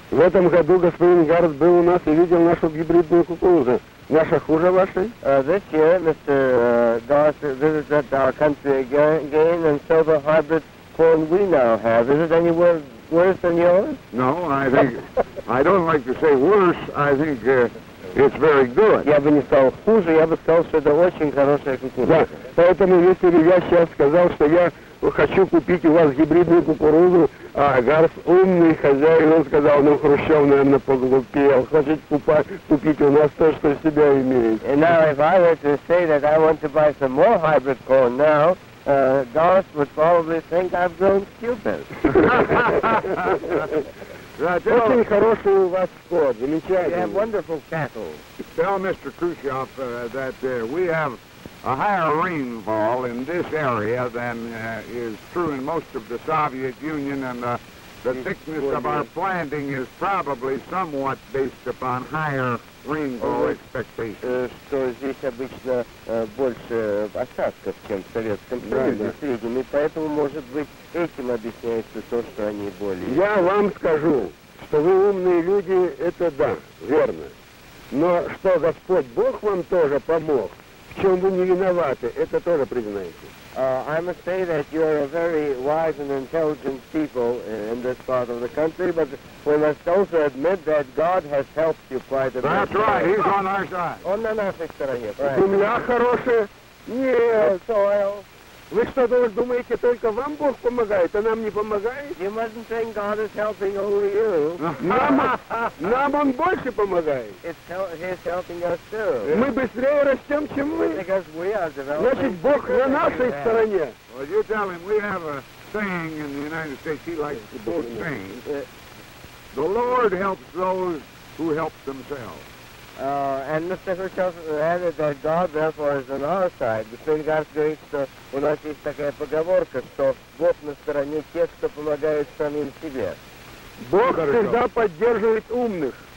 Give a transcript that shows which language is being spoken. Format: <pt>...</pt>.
<ru>В этом году господин Гарст был у нас и видел нашу гибридную кукурузу. Наша хуже вашей?</ru> <en>This year, Mr. Garst visited our country again and saw the hybrid corn we now have. Is it any worse than yours? No, I think, I don't like to say worse. I think it's very good.</en> <ru>Я бы не сказал хуже, я бы сказал, что это очень хорошая кукуруза. Да, поэтому если бы я сейчас сказал, что я хочу купить у вас гибридную кукурузу, а Гарст умный хозяин, он сказал, ну Хрущев, наверное, поглупел, хочет купить у нас то, что себя имеет.</ru> <en>And now if I were to say that I want to buy some more hybrid corn now, Garst would probably think I've grown stupid.</en> <ru>Очень хороший у вас скот, замечательный.</ru> <en>We have wonderful cattle. Tell Mr. Khrushchev that we have a higher rainfall in this area than is true in most of the Soviet Union, and the thickness of our planting is probably somewhat based upon higher rainfall expectations.</en> <ru>Что здесь обычно больше осадков, чем в Советском Союзе, в среднем, и поэтому, может быть, этим объясняется то, что они более... Я вам скажу, что вы умные люди, это да, верно. Но что Господь Бог вам тоже помог, в чем вы не виноваты, это тоже признаете.</ru> <en>I must say that you are a very wise and intelligent people in this part of the country, but we must also admit that God has helped you quite a bit. That's right, he's on our side.</en> <ru>Он на нашей стороне, правильно. Земля хорошая? Нет.</ru> <en>Soil.</en> <ru>Вы что, думаете, только вам Бог помогает, а нам не помогает?</ru> <en>You mustn't think God is helping only you.</en> <ru>Нам он больше помогает.</ru> <en>He's helping us too.</en> <ru>Мы быстрее растем, чем вы.</ru> <en>Because we are developing.</en> <ru>Значит, Бог на нашей стороне.</ru> <en>Well, you tell him, we have a saying in the United States, he likes to quote saying, the Lord helps those who help themselves. And Mr. Khrushchev added that God, therefore, is on our side.</en> <ru>Господин Гарст говорит, что у нас есть такая поговорка, что Бог на стороне тех, кто помогает самим себе. Бог всегда поддерживает умных.</ru>